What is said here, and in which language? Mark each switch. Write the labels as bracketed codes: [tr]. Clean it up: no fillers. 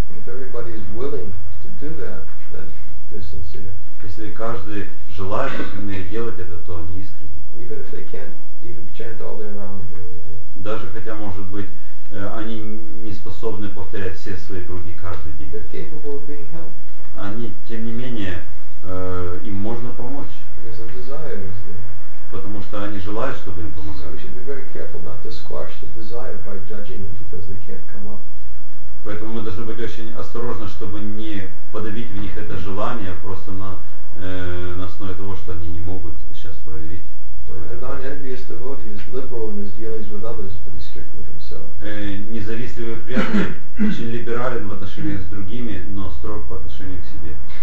[en] If everybody is willing to do that, then they're sincere. [ru] Если каждый желает делать это, то они искренне. [en] Even if they can't even chant all their rounds, really. [ru] Даже хотя, может быть, они не способны повторять все свои круги каждый день. [en] They're capable of being helped. [ru] Они, тем не менее, им можно помочь. [en] Because the desire is there. [ru] Потому что они желают, чтобы им помогали. [en] So we should be very careful not to squash the desire by judging them because they can't come up. [ru] Поэтому мы должны быть очень осторожны, чтобы не подавить в них это желание просто на основе того, что они не могут сейчас проявить. [en] A non-envious devotee is liberal in his dealings with others, but he's strict with himself. [ru] Независтливый преданный очень либерален в отношении с другими, но строг по отношению к себе.